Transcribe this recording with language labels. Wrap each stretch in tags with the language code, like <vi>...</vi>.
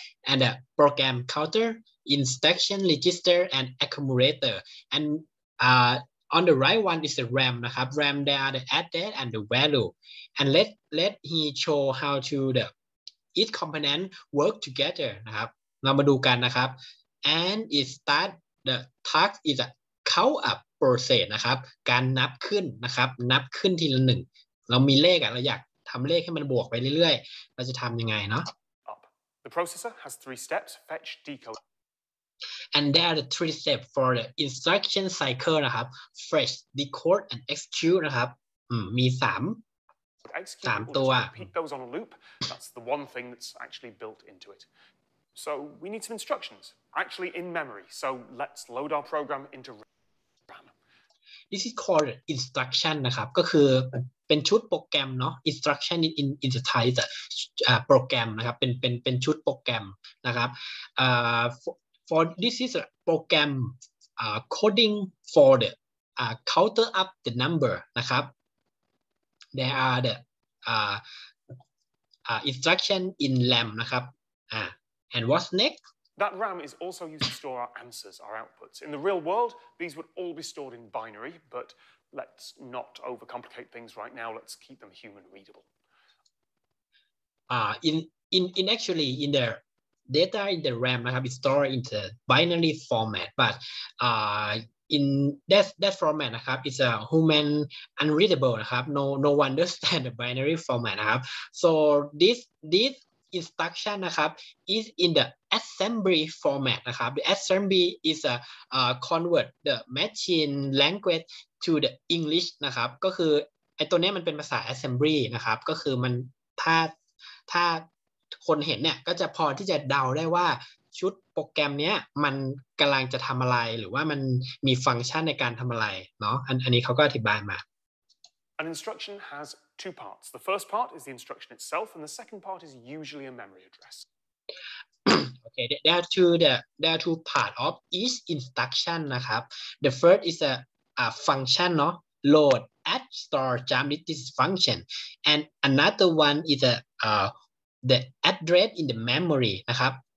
<en>and the program counter instruction register and accumulator and on the right one is the RAM นะครับ RAM there are the address and the value and let he show how to the each component work together</en> <th>นะครับเรามาดูกันนะครับ</th> <en>and it start the task is a count up process</en> <th>นะครับการนับขึ้นนะครับนับขึ้นทีละหนึ่งเรามีเลขอะเราอยากทำเลขให้มันบวกไปเรื่อยๆเราจะทำยังไงเนาะ</th> <en>The processor has three steps fetch decode and there are the three steps for the instruction cycle นะครับ fetch decode and execute</en> <th>นะครับมีสามตัว</th> <en>repeat those on a loop that's the one thing that's actually built into itSo we need some instructions, actually in memory. So let's load our program into RAM. This is called instruction</en> <th>นะครับก็คือเป็นชุดโปรแกรมเนาะ</th> <en>instruction in the title</en> <th>โปรแกรมนะครับเป็นชุดโปรแกรมนะครับ</th> <en>for this is a program coding for the counter up the number นะครับ there are the instruction in RAM นะครับand what's next that RAM is also used to store our answers our outputs in the real world these would all be stored in binary but let's not overcomplicate things right now let's keep them human readable in the data in the RAM I have stored in the binary format but in that format นะครับ it's a human unreadable นะครับ no understand the binary format นะครับ so this instruction นะครับ is in the assembly format นะครับ the assembly is a convert the machine language to the English</en> <th>นะครับก็คือไอ้ตัวนี้มันเป็นภาษา assembly นะครับก็คือมันถ้าคนเห็นเนี่ยก็จะพอที่จะเดาได้ว่าชุดโปรแกรมเนี้ยมันกำลังจะทำอะไรหรือว่ามันมีฟังก์ชันในการทำอะไรเนาะอันนี้เขาก็อธิบายมา</th> <en>An instruction has two parts. The first part is the instruction itself and the second part is usually a memory address. Okay, there are two part of each instruction นะครับ The first is a function เนาะ load add store jump this function and another one is the address in the memory นะครับ</en>